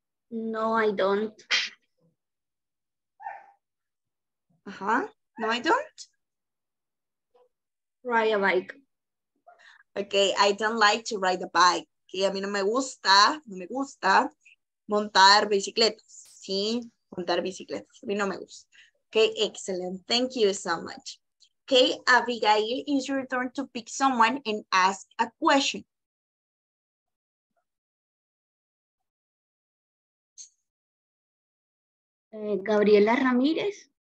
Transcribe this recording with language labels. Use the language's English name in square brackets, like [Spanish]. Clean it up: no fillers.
[English] No, I don't. Uh-huh. No, I don't. Ride a bike. Okay, I don't like to ride a bike. [Spanish] Okay, a mí no me gusta montar bicicletas, ¿sí? Montar bicicletas, a mí no me gusta. Okay, excellent, thank you so much. [English] Okay, Abigail, it's your turn to pick someone and ask a question. Gabriela Ramírez.